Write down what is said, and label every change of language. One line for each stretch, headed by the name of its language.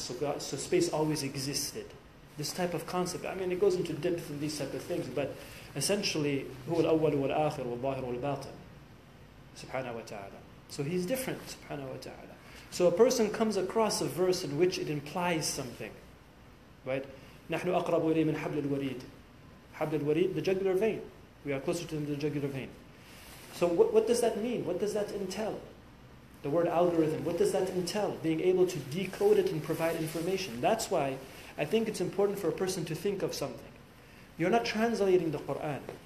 English: So God, so space always existed. This type of concept, I mean, it goes into depth in these type of things, but essentially,
Arabic: هو الأول والآخر والظاهر والباطن سبحانه وتعالى.
English: So he's different, subhanahu wa ta'ala. So a person comes across a verse in which it implies something. Right?
Arabic: نَحْنُ أَقْرَبُ إِلَيْهِ مِنْ حَبْلِ الْوَرِيدِ حَبْلِ الْوَرِيدِ,
English: the jugular vein. We are closer to him than the jugular vein. So what does that mean? What does that entail? The word algorithm, what does that entail? Being able to decode it and provide information. That's why I think it's important for a person to think of something. You're not translating the Qur'an.